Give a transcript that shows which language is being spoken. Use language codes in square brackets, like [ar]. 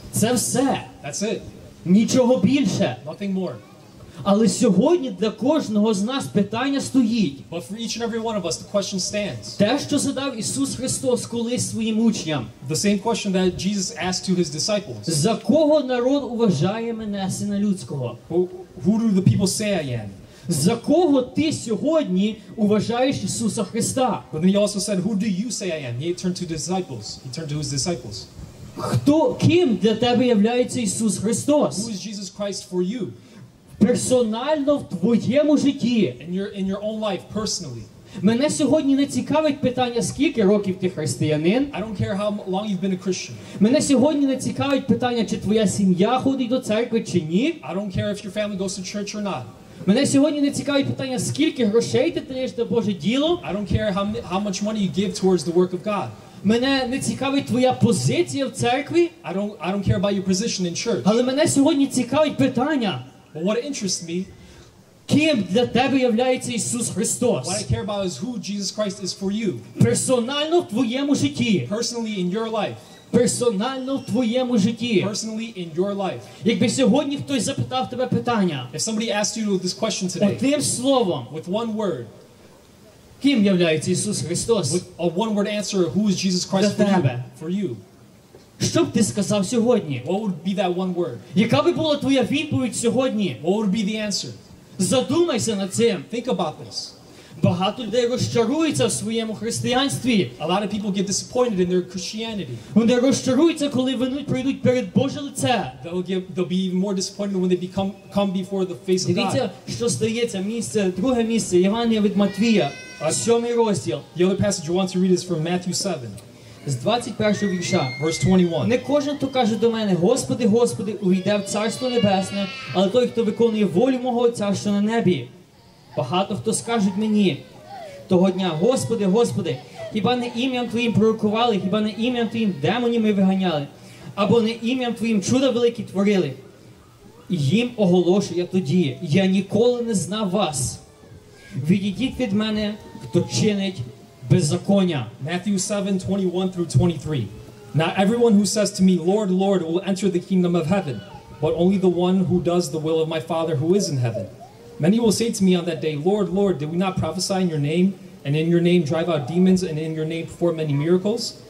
[uk] Це все. [en] That's it. [uk] Нічого більше. [en] Nothing more. [uk] Але сьогодні для кожного з нас питання стоїть. [en] But for each and every one of us, the question stands. [uk] Те, що задав Ісус Христос колись своїм учням. [en] The same question that Jesus asked to his disciples. [uk] За кого народ вважає мене сина людського? [en] Who do the people say I am? [uk] За кого ти сьогодні вважаєш Ісуса Христа? [en] But then he also said, who do you say I am? He turned to disciples. He turned to his disciples. [uk] Хто, ким для тебе являється Ісус Христос? [en] Who is Jesus Christ for you? [uk] Персонально в твоєму житті. [en] In your own life, personally. [uk] Мене сьогодні не цікавить питання, скільки років ти християнин. [en] I don't care how long you've been a Christian. [uk] Мене сьогодні не цікавить питання, чи твоя сім'я ходить до церкви чи ні. [en] I don't care if your family goes to church or not. [uk] Мене сьогодні не цікавить питання, скільки грошей ти даєш на Боже діло. [en] I don't care how much money you give towards the work of God. [uk] Мене не цікавить твоя позиція в церкві. [en] I don't care about your position in church. [uk] Але мене сьогодні цікавить питання. [en] But what interests me? [uk] Ким для тебе являється Ісус Христос? [en] What I care about is who Jesus Christ is for you. [uk] Персонально в твоєму житті. [en] Personally in your life. [uk] Персонально в твоєму житті. [en] Personally in your life. [uk] Якби сьогодні хтось запитав тебе питання. [en] If somebody asked you this question today. [uk] Одним словом. [en] With one word. [uk] Ким являється Ісус Христос? [en] With a one word answer, who is Jesus Christ for you? For you. [uk] Що б ти сказав сьогодні? [en] What would be that one word? [uk] Яка би була твоя відповідь сьогодні? [en] What would be the answer? [uk] Задумайся над цим. [en] Think about this. [uk] Багато людей розчаруються в своєму християнстві. [en] A lot of people get disappointed in their Christianity. [uk] Вони розчаруються, коли вони прийдуть перед Боже лице. [en] They'll be even more disappointed when they come before the face of God. [uk] Дивіться, що стається. Місце, друге місце, Євангелія від Матвія, 7 розділ. [en] The other passage you want to read is from Matthew 7. [uk] З 21-го вірша. [en] Verse 21. [uk] Не кожен, хто каже до мене, Господи, Господи, увійде в Царство Небесне, але той, хто виконує волю мого Отця, що на небі. Багато хто скажуть мені того дня, Господи, Господи, хіба не ім'ям Твоїм пророкували, хіба не ім'ям Твоїм демонів ми виганяли, або не ім'ям Твоїм чуда великі творили. І їм оголошу я тоді, я ніколи не знав вас. Відійдіть від мене, хто чинить беззаконня. [en] Matthew 7, 21 through 23. Now everyone who says to me, Lord, Lord, will enter the kingdom of heaven, but only the one who does the will of my Father who is in heaven. Many will say to me on that day, Lord, Lord, did we not prophesy in your name, and in your name drive out demons, and in your name perform many miracles?